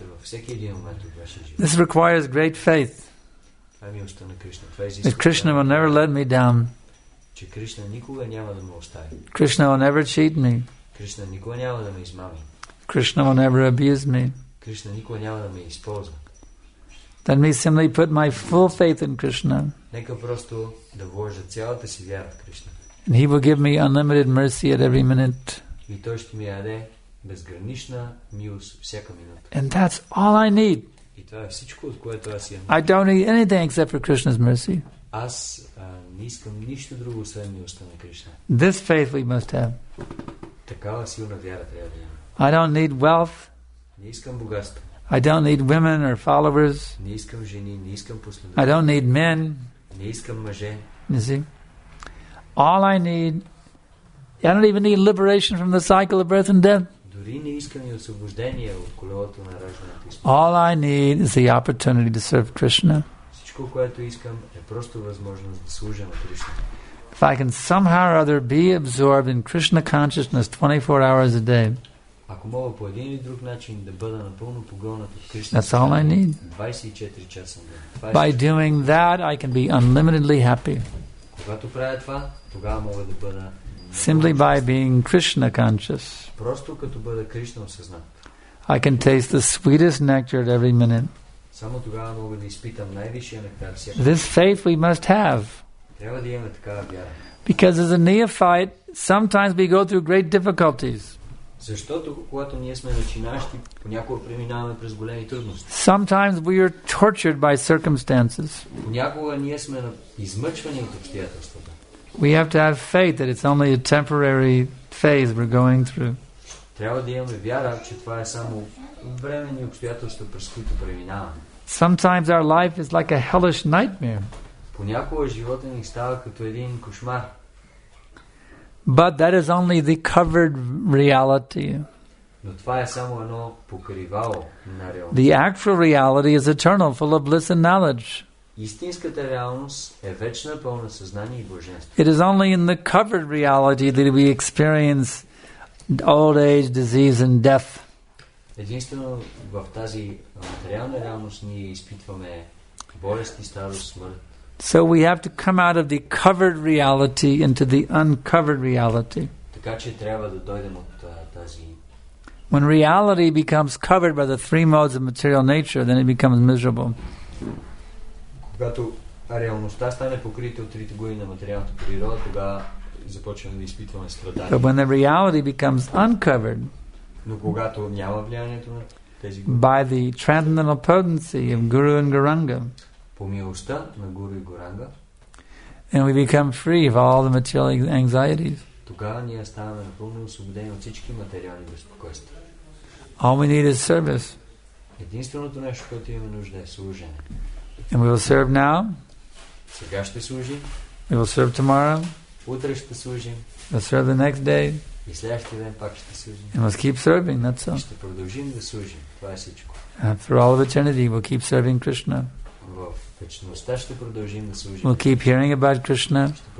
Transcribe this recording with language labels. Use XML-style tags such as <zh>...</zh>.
<en>This requires great faith. That Krishna will never let me down.</en> <bg>Че Кришна никога няма да ме остави.</bg> <en>Krishna will never cheat me.</en> <bg>Кришна никога няма да ме измами.</bg> <en>Krishna will never abuse me.</en> <bg>Кришна никога няма да ме използва.</bg> <en>Let me simply put my full faith in Krishna.</en> <bg>Нека просто да вложа цялата си вяра в Кришна.</bg> <en>And he will give me unlimited mercy at every minute.</en> <bg>И той ще ми даде безгранична милост всяка минута.</bg> <en>And that's all I need.</en> <bg>И това е всичко, което аз имам.</bg> <en>I don't need anything except for Krishna's mercy.</en> <bg>Аз не искам нищо друго освен милостта на Кришна.</bg> <en>This faith we must have.</en> <bg>Такава силна вяра трябва да имаме.</bg> <en>I don't need wealth.</en> <bg>Не искам богатство.</bg> <en>I don't need women or followers.</en> <bg>Не искам жени, не искам послани.</bg> <en>I don't need men.</en> <bg>Не искам мъже.</bg> <en>You see? All I need, I don't even need liberation from the cycle of birth and death.</en> <bg>Дори не искам и освобождение от колелото на раждането.</bg> <en>All I need is the opportunity to serve Krishna.</en> <bg>Всичко, което искам, е просто възможност да служа на Кришна.</bg> <en>If I can somehow or other be absorbed in Krishna consciousness 24 hours a day,</en> <bg>ако мога по един или друг начин да бъда напълно погълнат от Кришна,</bg> <en>that's all I need.</en> <bg>24 часа.</bg> <en>By doing that, I can be unlimitedly happy.</en> <bg>Когато правя това, тогава мога да бъда</bg> <en>simply by being Krishna conscious.</en> <bg>Просто като бъда Кришна осъзнат.</bg> <en>I can taste the sweetest nectar at every minute.</en> <bg>Само тогава мога да изпитам най-висшия нектар всяка.</bg> <en>This faith we must have.</en> <bg>Трябва да имаме такава вяра.</bg> <en>Because as a neophyte, sometimes we go through great difficulties.</en> <bg>Защото когато ние сме начинащи, понякога преминаваме през големи трудности.</bg> <en>Sometimes we are tortured by circumstances.</en> <bg>Понякога ние сме измъчвани от обстоятелствата.</bg> <en>We have to have faith that it's only a temporary phase we're going through.</en> <bg>Трябва да имаме вяра, че това е само временни обстоятелства, през които преминаваме.</bg> <en>Sometimes our life is like a hellish nightmare.</en> <bg>Понякога живота ни става като един кошмар.</bg> <en>But that is only the covered reality.</en> <bg>Но това е само едно покривало на реалността.</bg> <en>The actual reality is eternal, full of bliss and knowledge.</en> <bg>Истинската реалност е вечна, пълна съзнание и блаженство.</bg> <en>It is only in the covered reality that we experience old age, disease and death.</en> <bg>Единствено в тази материална реалност ние изпитваме болести, старост, смърт.</bg> <en>So we have to come out of the covered reality into the uncovered reality.</en> <bg>Така че трябва да дойдем от тази.</bg> <en>When reality becomes covered by the three modes of material nature, then it becomes miserable.</en> <bg>Когато реалността стане покрита от трите години на материалната природа, тогава започваме да изпитваме страдания.</bg> <en>But when the reality becomes uncovered,</en> <bg>но когато няма влиянието на тези години,</bg> <en>by the transcendental potency of Guru and Gauranga,</en> <bg>по милостта на Гуру и Гуранга,</bg> <en>and we become free of all the material anxieties.</en> <bg>Тогава ние ставаме напълно освободени от всички материални безпокойства.</bg> <en>All we need is service.</en> <bg>Единственото нещо, което имаме нужда, е служене.</bg> <en>And we will serve now.</en> <bg>Сега ще служим.</bg> <en>We will serve tomorrow.</en> <bg>Утре ще служим.</bg> <en>We'll serve the next day.</en> <bg>И следващия ден пак ще служим.</bg> <en>And we'll keep serving, that's all.</en> <bg>Ще продължим да служим. Това е всичко.</bg> <en>And for all of eternity, we'll keep serving Krishna. We'll keep hearing about Krishna.</en>